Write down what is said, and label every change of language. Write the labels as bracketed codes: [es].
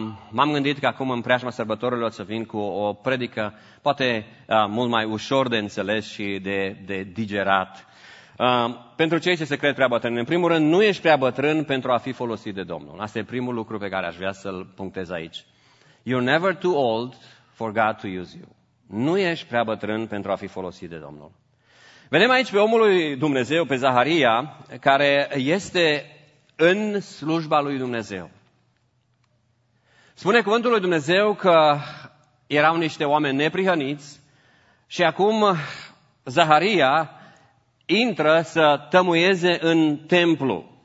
[ro] M-am gândit că acum în preajma sărbătorilor să vin cu o predică poate mult mai ușor de înțeles și de digerat. Pentru cei ce se cred prea bătrâni, în primul rând, nu ești prea bătrân pentru a fi folosit de Domnul. Asta e primul lucru pe care aș vrea să-l punctez aici. [en] You're never too old for God to use you. [ro] Nu ești prea bătrân pentru a fi folosit de Domnul. Vedem aici pe omul lui Dumnezeu, pe Zaharia, care este în slujba lui Dumnezeu. Spune cuvântul lui Dumnezeu că erau niște oameni neprihăniți și acum Zaharia intră să tămuieze în templu.